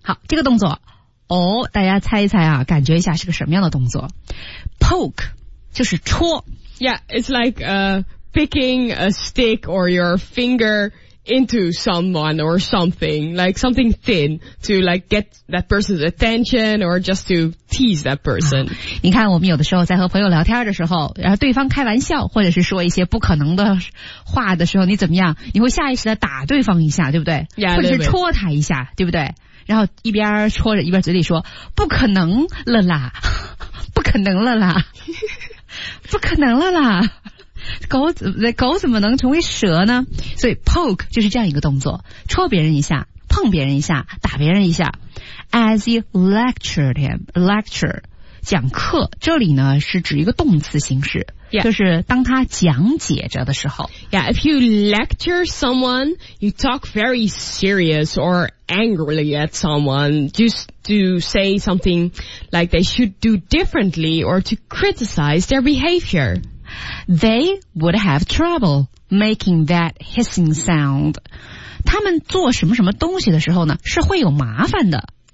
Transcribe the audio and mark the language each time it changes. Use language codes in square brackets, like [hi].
[zh] 好，这个动作，哦，大家猜一猜啊，感觉一下是个什么样的动作 ？Poke 就是戳。 [en] Yeah, it's like picking a stick or your finger into someone or something, like something thin to like get that person's attention or just to tease that person.、 [zh] 啊、你看，我们有的时候在和朋友聊天的时候，然后对方开玩笑或者是说一些不可能的话的时候，你怎么样？你会下意识的打对方一下，对不对？ [en] Yeah, [zh] 或者是戳他一下，对不对？然后一边戳着一边嘴里说：“不可能了啦，不可能了啦，不可能了啦。” 狗怎么能成为蛇呢？所以 poke 就是这样一个动作，戳别人一下，碰别人一下，打别人一下。 [en] As he lectured him, [zh] lecture 讲课，这里呢是指一个动词形式， [en] yeah. [zh] 就是当他讲解着的时候。 [en] Yeah, if you lecture someone, you talk very serious or angrily at someone just to say something like they should do differently or to criticize their behavior. They would have trouble making that hissing sound. [zh] 他们做什么什么东西的时候呢，是会有麻烦的。